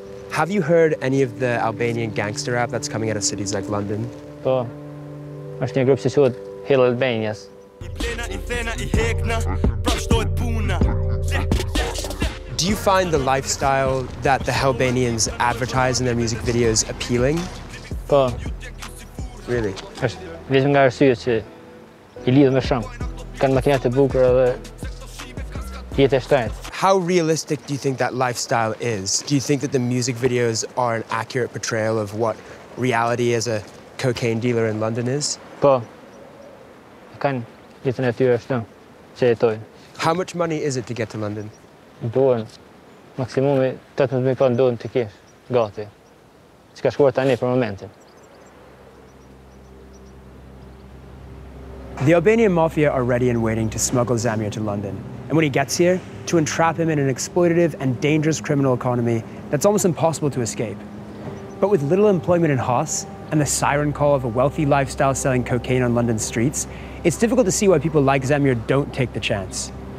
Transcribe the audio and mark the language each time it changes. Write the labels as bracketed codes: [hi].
[en] Have you heard any of the Albanian gangster rap that's coming out of cities like London? Yes. There's a group called Hill Albanians. Do you find the lifestyle that the Albanians advertise in their music videos appealing? Yes. Really? [sq] Vetëm nga arsye që I lidhë me shumë. Kanë makinat e bukur edhe jetë e shtrejtë. [en] How realistic do you think that lifestyle is? Do you think that the music videos are an accurate portrayal of what reality as a cocaine dealer in London is? [sq] Po. Kanë jetën e tyre shtu, që jetojnë. [en] How much money is it to get to London? [sq] Duhen, maksimumi 18.000 pound duhen të kesh, gati. Që ka shkuar tani për momentin. [en] The Albanian Mafia are ready and waiting to smuggle Zamir to London. And when he gets here, to entrap him in an exploitative and dangerous criminal economy that's almost impossible to escape. But with little employment in Hos and the siren call of a wealthy lifestyle selling cocaine on London streets, it's difficult to see why people like Zamir don't take the chance.